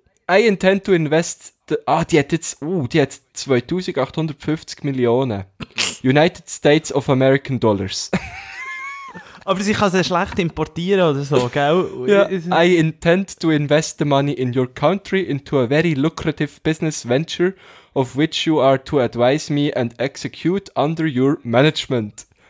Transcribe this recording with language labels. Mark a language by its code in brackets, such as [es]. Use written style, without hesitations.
[en] I intend to invest... [de] die hat 2850 Millionen. [en] United States of American Dollars. [de] Aber sie kann sehr schlecht importieren oder so, gell? [en] Yeah. I intend to invest the money in your country into a very lucrative business venture of which you are to advise me and execute under your management.